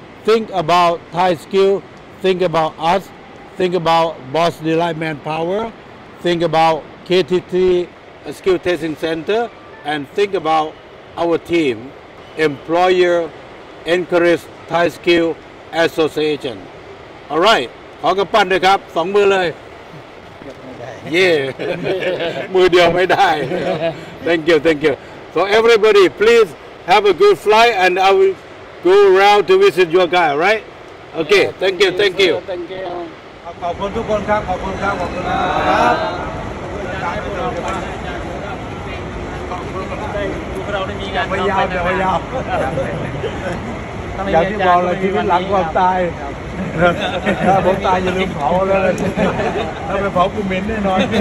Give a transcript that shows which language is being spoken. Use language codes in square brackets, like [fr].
[en] Think about Thai skill, think about us, think about Boss Delight Manpower, think about KTT Skill Testing Center, and think about our team, Employer Encourage Thai Skill Association. All right, [th] ขอกระปั้นด้วยครับ สองมือเลย [en] Yeah, [th] มือเดียวไม่ได้ [en] Thank you. So everybody, please have a good flight, and I will go around to visit your guy, right? Okay, thank you. [th] ขอบคุณทุกคนครับขอบคุณครับขอบคุณครับขอบคุณครับขอบคุณครับได้ดูเราได้มีการ พยายามพยายามอย่างที่บอกเลยชีวิตหลังความตายถ้าผมตายอย่าลืมเผาเลยถ้าไปเผากูเหม็นแน่นอน